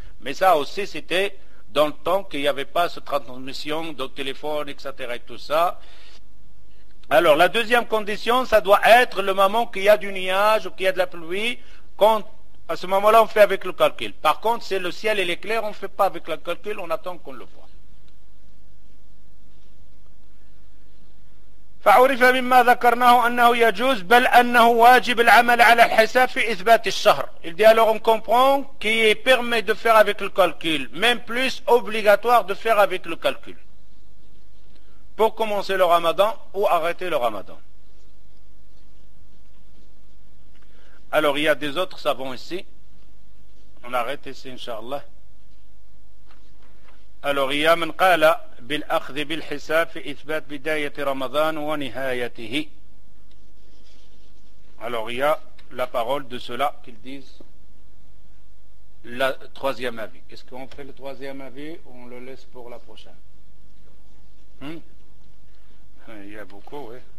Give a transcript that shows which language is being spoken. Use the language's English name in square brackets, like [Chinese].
[French] Mais ça aussi, c'était dans le temps qu'il n'y avait pas cette transmission de téléphone, etc. et tout ça. Alors, la deuxième condition, ça doit être le moment qu'il y a du nuage ou qu'il y a de la pluie. Quand, à ce moment-là, on fait avec le calcul. Par contre, c'est le ciel et l'éclair, on ne fait pas avec le calcul, on attend qu'on le voit. [Arabic] فعرف مما ذكرناه أنه يجوز بل أنه واجب العمل على الحساب في إثبات الشهر. [French] Il dit alors on comprend qu'il est permis de faire avec le calcul, même plus obligatoire de faire avec le calcul. Pour commencer le ramadan ou arrêter le ramadan. Alors il y a des autres savants ici. On arrête ici inshallah. Alors il y a [Arabic] من قال بالأخذ بالحساب في إثبات بداية رمضان ونهايته. [French] Alors il y a la parole de ceux-là qu'ils disent le troisième avis. Est-ce qu'on fait le troisième avis ou on le laisse pour la prochaine? Il y a beaucoup, oui.